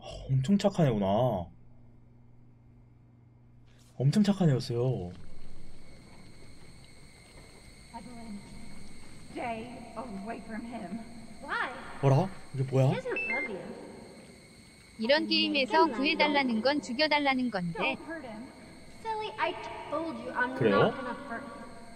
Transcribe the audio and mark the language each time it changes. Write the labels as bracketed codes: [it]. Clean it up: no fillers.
[ko] 엄청 착한 애구나. 엄청 착한 애였어요. [en] Evelyn, stay away from him. Why? [ko] 뭐라? 이게 뭐야? 이런 게임에서 구해달라는 건 죽여달라는 건데. [en] Silly, I told you I'm not gonna hurt him.